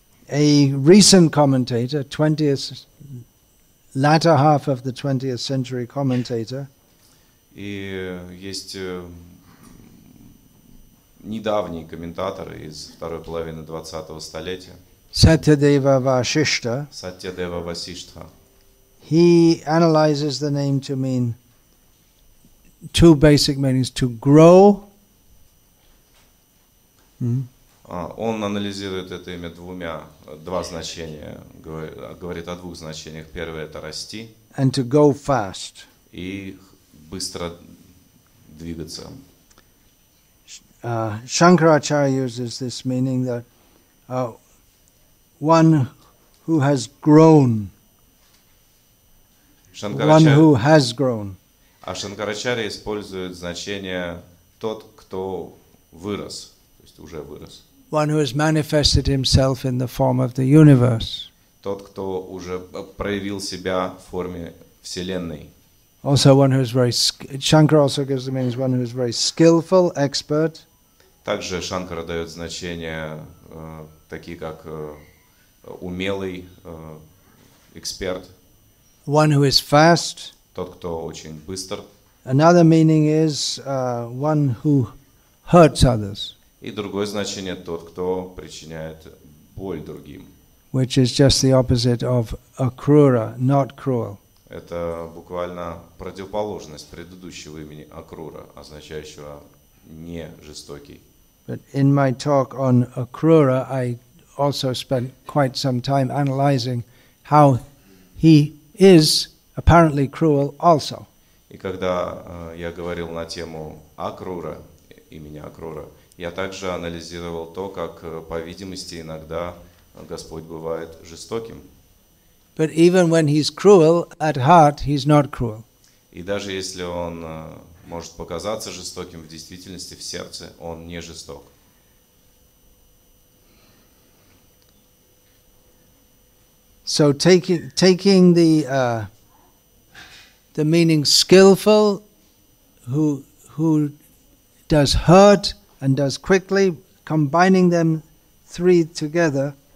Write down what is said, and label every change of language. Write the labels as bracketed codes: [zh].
[en] A recent commentator, 20th, latter half of the 20th century commentator. [ru] И есть недавний комментатор из второй половины 20-го столетия. [en] Satyadeva Vasishtha. [ru] Satyadeva Vasishtha. [en] He analyzes the name to mean two basic meanings: to grow. [ru] Он анализирует это имя два значения. Говорит о двух значениях. Первое — это расти. [en] And to go fast. [ru] И быстро двигаться. [en] Shankaracharya uses this meaning that one who has grown. One who has grown. [ru] А Шанкарачарья использует значение тот, кто вырос, то есть уже вырос. [en] One who has manifested himself in the form of the universe. [ru] Тот, кто уже проявил себя в форме вселенной. [en] Also, one who is very Shankara also gives the meaning one who is very skillful, expert. [ru] Также Шанкара дает значение такие как умелый эксперт. [en] One who is fast. [ru] Тот, кто очень быстр. [en] Another meaning is one who hurts others. [ru] И другое значение – тот, кто причиняет боль другим. [en] Which is just the opposite of Акрура, not cruel. [ru] Это буквально противоположность предыдущего имени Акрура, означающего не жестокий. [en] But in my talk on Акрура, I also spent quite some time analyzing how he is apparently cruel also. [ru] И когда я говорил на тему Акрура, имени Акрура, я также анализировал то, как, по видимости, иногда Господь бывает жестоким. [en] But even when he's cruel, at heart he's not cruel. [ru] И даже если он может показаться жестоким, в действительности, в сердце, он не жесток. [en] So taking the meaning skillful, who does hurt and does quickly, combining them three together.